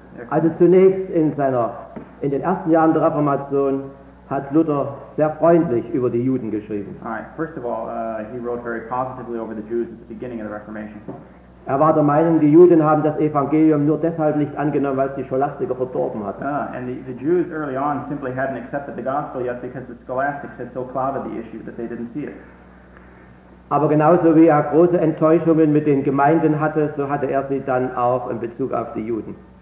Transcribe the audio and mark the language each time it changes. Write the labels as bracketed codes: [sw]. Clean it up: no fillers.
[de] Also zunächst in den ersten Jahren der Reformation hat Luther sehr freundlich über die Juden geschrieben. [en] Alright, first of all, he wrote very positively over the Jews at the beginning of the Reformation. [de] Er war der Meinung, die Juden haben das Evangelium nur deshalb nicht angenommen, weil es die Scholastiker verdorben hatten. [en] And the Jews early on simply hadn't accepted the gospel yet because the Scholastics had so clouded the issue that they didn't see it. [de] Aber genauso wie er große Enttäuschungen mit den Gemeinden hatte, so hatte er sie dann auch in Bezug auf die Juden.